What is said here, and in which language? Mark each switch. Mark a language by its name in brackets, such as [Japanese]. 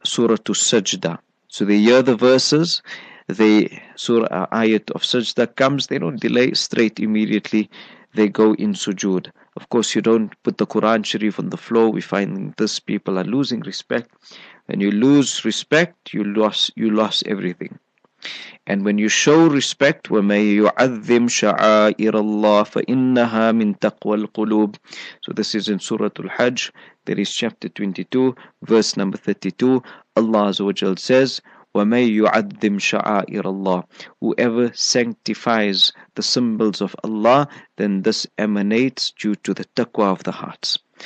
[English] Surah to Sajda. So they hear the verses, the surah ayat of Sajda comes, they don't delay, straight immediately they go in sujood. Of course, you don't put the Quran Sharif on the floor. We find this people are losing respect. When you lose respect, you lost everything. And when you show respect, [Arabic] وَمَن يُعَذِّمْ شَعَائِرَ اللَّهِ فَإِنَّهَا مِنْ تَقْوَى الْقُلُوبِ. [English] So this is in Surah Al-Hajj, that is chapter 22, verse number 32. [Arabic] Allah Azza wa Jal says, وَمَن يُعَذِّمْ شَعَائِرَ اللَّهِ. [English] Whoever sanctifies the symbols of Allah, then this emanates due to the taqwa of the hearts.